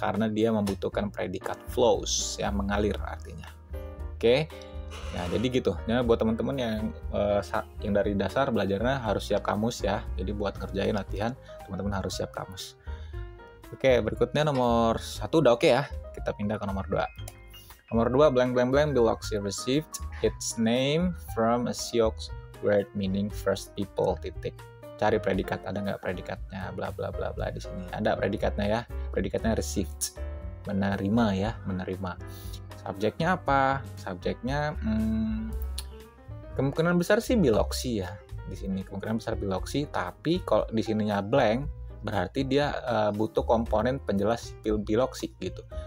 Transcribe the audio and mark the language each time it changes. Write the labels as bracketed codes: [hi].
[id] Karena dia membutuhkan predikat flows, ya mengalir artinya. Oke, ya jadi gitu. Ya, buat teman-teman yang dari dasar belajarnya harus siap kamus ya. Jadi buat ngerjain latihan, teman-teman harus siap kamus. Oke, berikutnya nomor 1 udah oke ya. Kita pindah ke nomor 2. Nomor 2, [en] blank blank blank belongs to received its name from a Sioux word meaning first people. [id] Titik. Cari predikat, ada nggak predikatnya? Bla bla bla bla di sini. Ada predikatnya ya. Predikatnya received. Menerima ya, menerima. Subjeknya apa? Subjeknya kemungkinan besar sih biloksi ya. Di sini kemungkinan besar biloksi, tapi kalau di sininya blank berarti dia butuh komponen penjelas biloksi gitu.